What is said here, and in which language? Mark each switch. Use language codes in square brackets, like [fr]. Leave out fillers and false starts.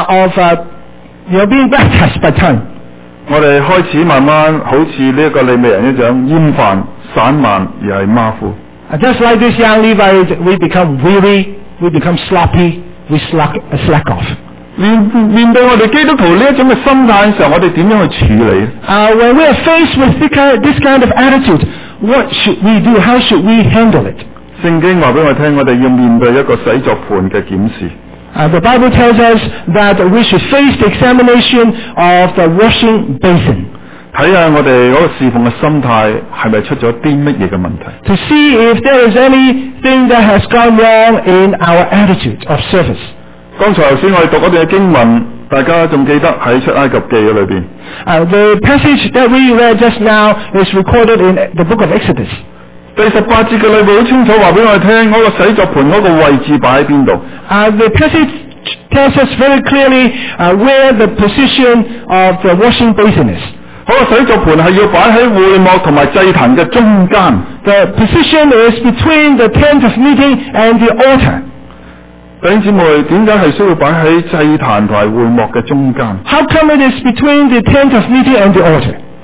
[en] But in time, you're being baptized by time. [zh] 我们开始慢慢好像这个利未人一样厌烦散漫而是马虎。 [en] Just like this young Levi, we become weary, we become sloppy, we slack off. [zh] 面对我们基督徒这种的心态的时候，我们怎样去处理？ [en] When we are faced with this kind of attitude, what should we do? How should we handle it? [zh] 圣经告诉我们，我们要面对一个洗濯盘的检视。 [en] The Bible tells us that we should face the examination of the washing basin. [zh] 看看我们那个侍奉的心态是不是出了什么问题。 [en] To see if there is anything that has gone wrong in our attitude of service. [zh] 刚才我们读那段经文, 大家还记得在出埃及记里面。 [en] The passage that we read just now is recorded in the book of Exodus. [zh] 第18节的里面很清楚告诉我们那个洗濯盆的位置放在哪里。 [en] The passage tells us very clearly where the position of the washing basin is. [zh] 好,洗濯盆是要放在会幕和祭坛的中间。 [en] The position is between the tent of meeting and the altar. [zh] 弟兄姊妹,为什么是需要放在祭坛和会幕的中间? [en] How come it is between the tent of meeting and the altar?